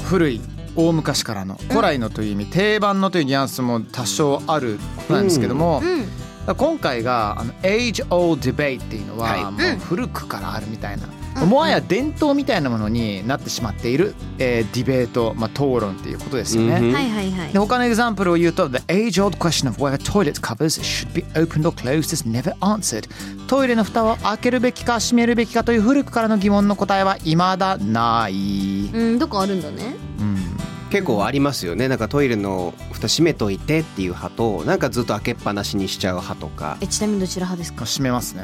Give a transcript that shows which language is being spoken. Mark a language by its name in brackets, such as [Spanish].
[Japanese] 古い、大昔からの、古来のという意味、うん、定番のというニュアンスも多少あるなんですけども、うん、今回が Age old debate っていうのは、はい、もう古くからあるみたいな、うん、うん、もはや伝統みたいなものになってしまっている、ディベート、まあ、討論っていうことですよね、うん、はいはいはい。で他のエグザンプルを言うと [English] The age old question of whether toilet covers should be opened or closed is never answered。 [Japanese] トイレの蓋を開けるべきか閉めるべきかという古くからの疑問の答えは未だない。うん、どこあるんだね。結構ありますよね。なんかトイレの蓋閉めといてっていう派と、なんかずっと開けっぱなしにしちゃう派とか。ちなみにどちら派ですか？閉めますね。